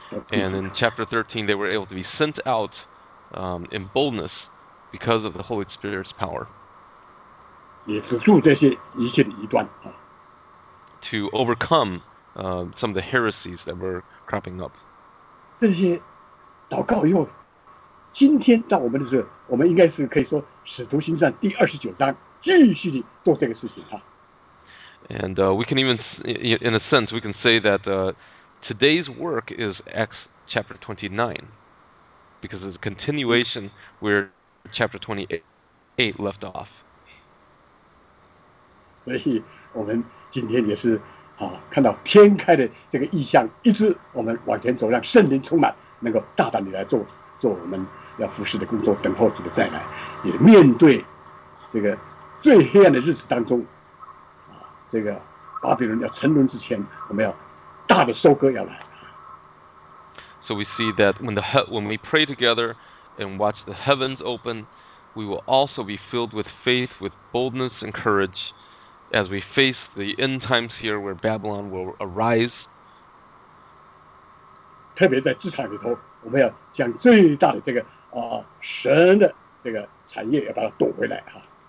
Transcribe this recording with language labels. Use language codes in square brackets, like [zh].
[en] And in chapter 13, they were able to be sent out in boldness because of the Holy Spirit's power. [zh] 也止住这些一切的疑端啊。 [en] To overcome some of the heresies that were cropping up. [zh] 这些祷告以后，今天到我们的时候，我们应该是可以说《使徒行传》第二十九章继续的做这个事情啊。 [en] And we can even, in a sense, we can say that today's work is Acts chapter 29, because it's a continuation where chapter 28 left off. [zh] 所以我们今天也是啊，看到天开的这个异象，一直我们往前走，让圣灵充满，能够大胆地来做我们要服事的工作，等候主的再来，也面对这个最黑暗的日子当中。这个巴比伦要沉沦之前，我们要大的收割要来。 [en] So we see that when we pray together and watch the heavens open, we will also be filled with faith, with boldness and courage, as we face the end times here where Babylon will arise. [zh] 特别在职场里头，我们要将最大的这个神的这个产业要把它夺回来哈。